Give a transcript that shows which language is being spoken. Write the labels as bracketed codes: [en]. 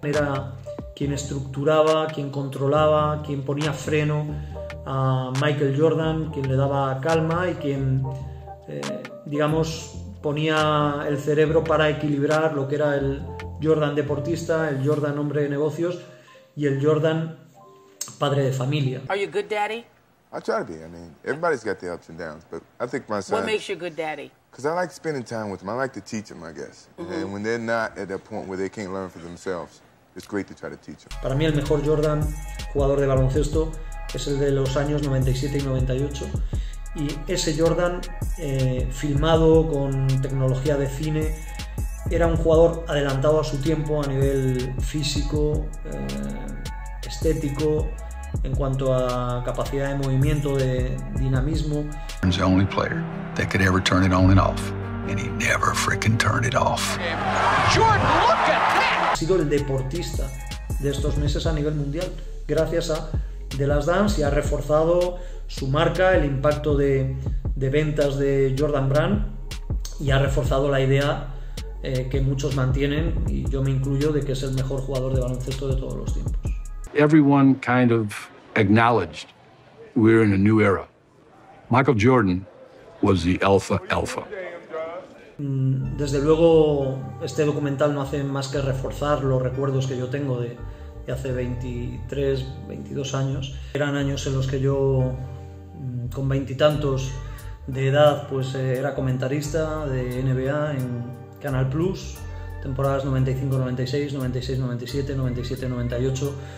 [es] Era quien estructuraba, quien controlaba, quien ponía freno a Michael Jordan, quien le daba calma y quien, digamos, ponía el cerebro para equilibrar lo que era el Jordan deportista, el Jordan hombre de negocios y el Jordan padre de familia. [en] Are you good daddy? I try to be. I mean, everybody's got the ups and downs, but I think my son. What makes you a good daddy? Because I like spending time with them. I like to teach them, I guess. Mm-hmm. And when they're not at that point where they can't learn for themselves, It's great to try to teach him. [es] Para mí el mejor Jordan jugador de baloncesto es el de los años 97 y 98. Y ese Jordan, filmado con tecnología de cine, era un jugador adelantado a su tiempo a nivel físico, estético, en cuanto a capacidad de movimiento, de dinamismo. [en] He's the only player that could ever turn it on and off, and he never freaking turned it off. Jordan, look at that. [es] Ha sido el deportista de estos meses a nivel mundial, gracias a The Last Dance, y ha reforzado su marca, el impacto de ventas de Jordan Brand, y ha reforzado la idea que muchos mantienen, y yo me incluyo, de que es el mejor jugador de baloncesto de todos los tiempos. [en] Everyone kind of acknowledged we're in a new era. Michael Jordan was the alpha alpha. [es] Desde luego, este documental no hace más que reforzar los recuerdos que yo tengo de hace 23, 22 años. Eran años en los que yo, con veintitantos de edad, pues era comentarista de NBA en Canal Plus, temporadas 95-96, 96-97, 97-98.